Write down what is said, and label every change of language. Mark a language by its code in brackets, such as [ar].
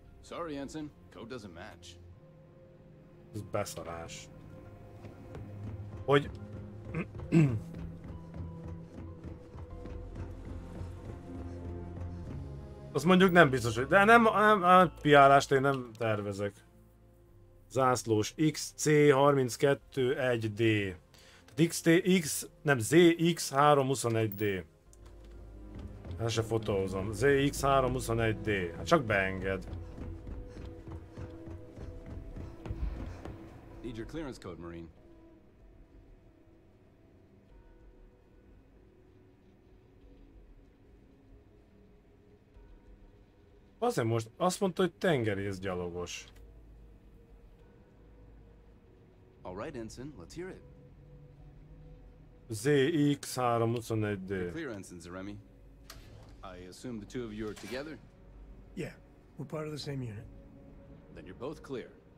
[en] Sorry, Ensign, code doesn't match. [hu] Ez beszarás. Hogy azt mondjuk nem biztos, hogy... De nem piálást én nem tervezek. Zászlós XC321D. ZX321D. Hát se fotózom. ZX321D. Hát csak beenged. [en] Need your clearance code, Marine. [hu] Azért most azt mondta, hogy tengerész gyalogos. [en] All right, Ensign, let's hear it. ZX321D. Clear, Ensign Zeremi. I assume the two of you are together? Yeah, we're part of the same unit. Then you're both clear.